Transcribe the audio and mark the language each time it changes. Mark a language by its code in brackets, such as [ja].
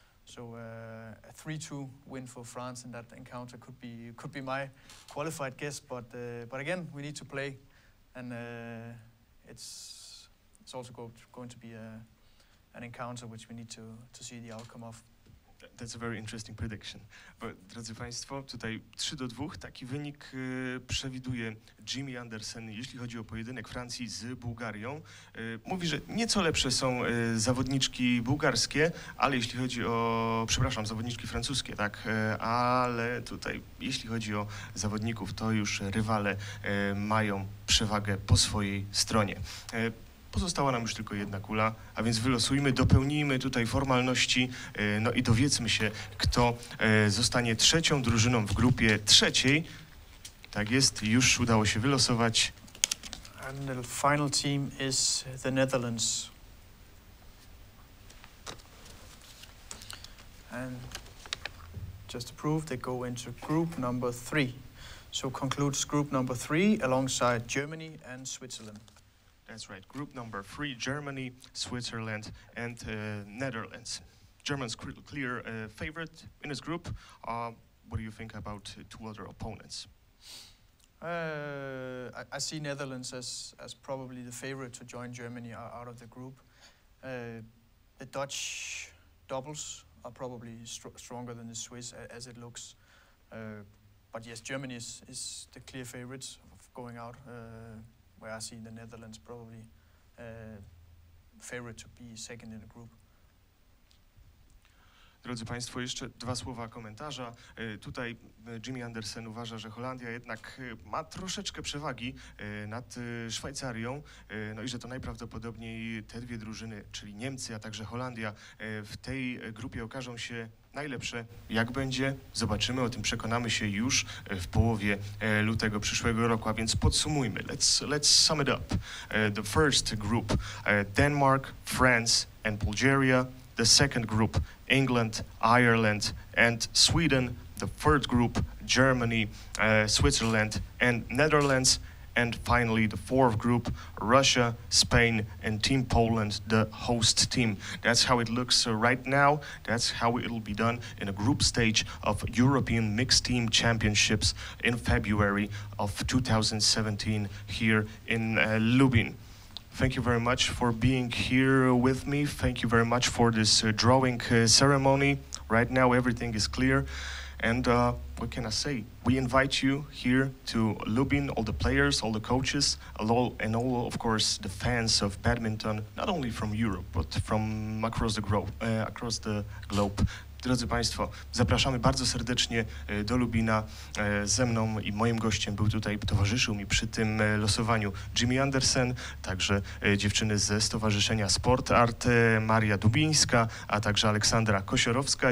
[en] So a 3-2 win for France in that encounter could be my qualified guess, but again we need to play, and it's also going to be an encounter which we need to see the outcome of. That's a very interesting prediction. [pl] Bo, drodzy Państwo, tutaj 3-2, taki wynik przewiduje Jimmy Andersen, jeśli chodzi o pojedynek Francji z Bułgarią. Mówi, że nieco lepsze są zawodniczki bułgarskie, ale jeśli chodzi o, przepraszam, zawodniczki francuskie, tak, ale tutaj jeśli chodzi o zawodników, to już rywale mają przewagę po swojej stronie. Pozostała nam już tylko jedna kula, a więc wylosujmy, dopełnijmy tutaj formalności, no i dowiedzmy się, kto zostanie trzecią drużyną w grupie trzeciej. Tak jest, już udało się wylosować. [en] And the final team is the Netherlands. And just to prove, they go into group number three. So concludes group number three alongside Germany and Switzerland. That's right, group number three, Germany, Switzerland, and Netherlands. Germany's clear favorite in this group. What do you think about two other opponents? I see Netherlands as probably the favorite to join Germany out of the group. The Dutch doubles are probably stronger than the Swiss, as it looks. But yes, Germany is the clear favorite of going out. Where I see the Netherlands probably favorite to be second in the group. [pl] Drodzy Państwo, jeszcze dwa słowa komentarza. Tutaj Jimmy Andersen uważa, że Holandia jednak ma troszeczkę przewagi nad Szwajcarią, no i że to najprawdopodobniej te dwie drużyny, czyli Niemcy, a także Holandia, w tej grupie okażą się najlepsze. Jak będzie? Zobaczymy, o tym przekonamy się już w połowie lutego przyszłego roku, a więc podsumujmy. [en] Let's sum it up. The first group, Denmark, France and Bulgaria. The second group, England, Ireland and Sweden. The third group, Germany, Switzerland and Netherlands. And finally, the fourth group, Russia, Spain and Team Poland, the host team. That's how it looks right now. That's how it'll be done in a group stage of European Mixed Team Championships in February of 2017 here in Lubin. Thank you very much for being here with me. Thank you very much for this drawing ceremony. Right now, everything is clear. And what can I say? We invite you here to Lubin, all the players, all the coaches, and all, of course, the fans of badminton, not only from Europe, but from across the globe, [pl] Drodzy Państwo, zapraszamy bardzo serdecznie do Lubina. Ze mną i moim gościem był tutaj, towarzyszył mi przy tym losowaniu Jimmy Andersen, także dziewczyny ze Stowarzyszenia Sport Art, Maria Dubińska, a także Aleksandra Kosiorowska.